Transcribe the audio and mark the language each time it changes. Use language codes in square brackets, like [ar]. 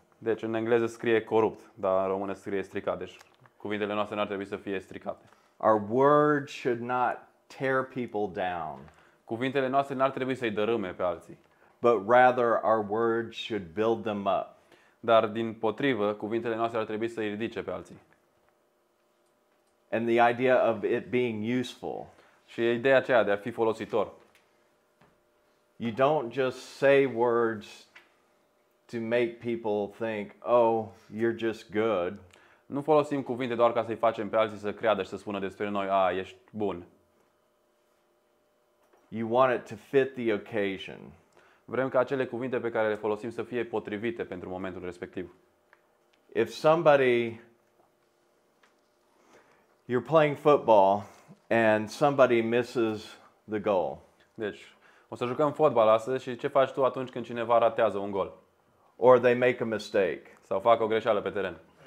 [ro] Deci în engleză scrie corupt, dar în română scrie stricat. Deci cuvintele noastre nu ar trebui să fie stricate. [en] Our word should not tear people down. [ro] Cuvintele noastre n-ar trebui să-i dărâme pe alții. [en] But rather our words should build them up. [ro] Dar din potrivă, cuvintele noastre ar trebui să-i ridice pe alții. [en] And the idea of it being useful. [ro] Și ideea aceea de a fi folositor. [en] You don't just say words to make people think, "Oh, you're just good." [ro] Nu folosim cuvinte doar ca să-i facem pe alții să creadă și să spună despre noi, "Ah, ești bun." [en] You want it to fit the occasion. [ro] Vrem ca acele cuvinte pe care le folosim să fie potrivite pentru momentul respectiv. [en] If somebody you're playing football and somebody misses the goal. [ro] Deci, o să jucăm fotbal astăzi și ce faci tu atunci când cineva ratează un gol? [en] Or they make a mistake. [ro] Sau fac o greșeală pe teren.